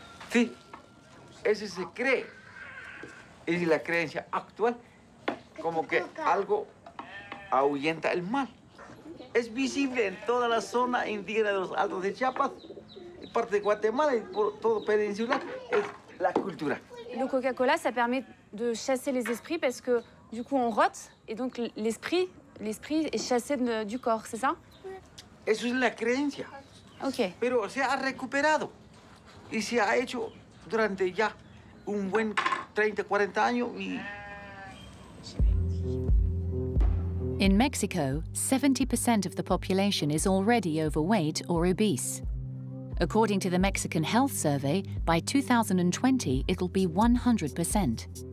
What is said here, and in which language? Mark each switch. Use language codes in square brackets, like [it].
[es] Sí, ese se cree, es la creencia actual, como que algo ahuyenta el mal. Es visible en toda la zona indígena de los Altos de Chiapas, parte de Guatemala y por todo península, es la cultura. [fr] Le Coca-Cola, ça permet de chasser les esprits parce que du coup on rote et donc l'esprit est chassé du corps, c'est ça? [es] Eso es la creencia. Ok. Pero se ha recuperado y se ha hecho durante ya un buen 30, 40 años y... [en] In Mexico, 70% of the population is already overweight or obese. According to the Mexican Health Survey, by 2020, it'll be 100%.